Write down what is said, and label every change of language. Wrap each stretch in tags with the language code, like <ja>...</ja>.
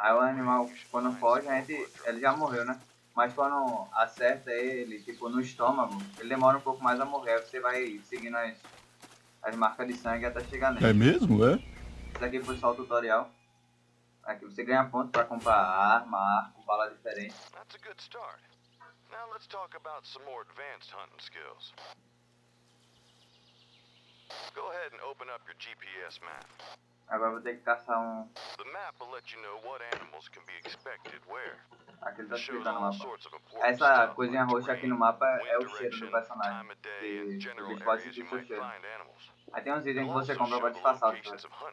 <pt>Aí o animal, quando foge, a gente, ele já morreu, né? Mas quando acerta ele, tipo, no estômago, ele demora um pouco mais a morrer. Aí você vai seguindo as marcas de sangue até chegar nele. É mesmo, é? Isso aqui foi só o tutorial. Aqui você ganha ponto pra comprar arma, arco, bala diferente.</pt> <en>That's a good start. Now let's talk about some more advanced hunting skills. Go ahead and open up your GPS map.</en> <pt>Agora vou ter que caçar um.</pt> <en>The map will let you know what animals can be expected where.</en> <pt>Aqui ele tá explicando o mapa. Essa coisinha roxa aqui no mapa é o cheiro do personagem. Que a gente pode sentir seu cheiro. Aí tem uns itens que você compra pra disfarçar os seus.</pt>